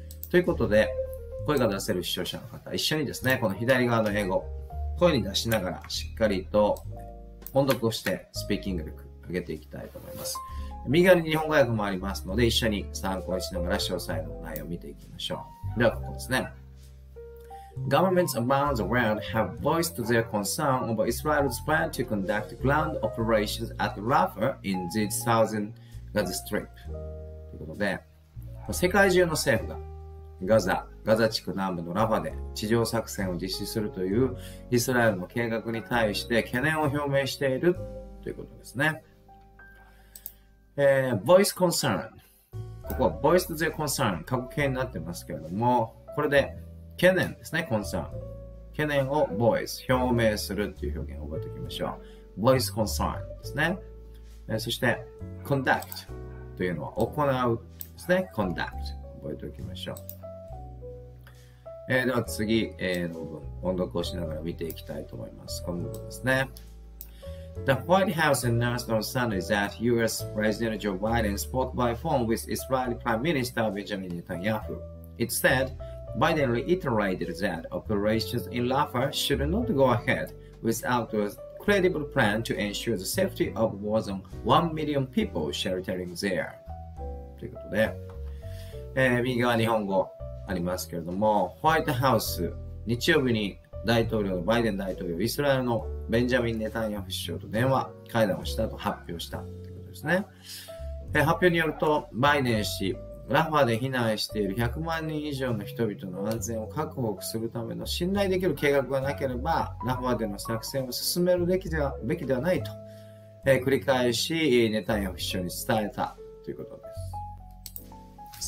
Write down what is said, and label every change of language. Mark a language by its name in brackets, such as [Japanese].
[Japanese] ということで、声が出せる視聴者の方、一緒にですね、この左側の英語声に出しながらしっかりと音読をしてスピーキング力上げていきたいと思います。右側に日本語訳もありますので、一緒に参考にしながら詳細の内容を見ていきましょう。ではここですね。 [English] Governments around the world have voiced their concern over Israel's plan to conduct ground operations at Rafah in the southern Gaza Strip. [Japanese] ということで、世界中の政府がガザ地区南部のラファで地上作戦を実施するというイスラエルの計画に対して懸念を表明しているということですね。 voice concern。 ここは voice the concern。過去形になってますけれども、これで懸念ですね、concern。懸念を voice、表明するという表現を覚えておきましょう。 voice concern ですね。そして conduct というのは行うですね。conduct。覚えておきましょう。では次、の文、音読をしながら見ていきたいと思います。この部分ですね。 [English] The White House announced on Sunday that U.S. President Joe Biden spoke by phone with Israeli Prime Minister Benjamin Netanyahu. It said, Biden reiterated that operations in Rafah should not go ahead without a credible plan to ensure the safety of more than 1 million people sheltering there. [Japanese] ということで、右側日本語ありますけれども、ホワイトハウス、日曜日に大統領のバイデン大統領、イスラエルのベンジャミン・ネタニヤフ首相と電話会談をしたと発表したということですね。発表によると、バイデン氏、ラファで避難している100万人以上の人々の安全を確保するための信頼できる計画がなければ、ラファでの作戦を進めるべきではないと、繰り返しネタニヤフ首相に伝えたということです。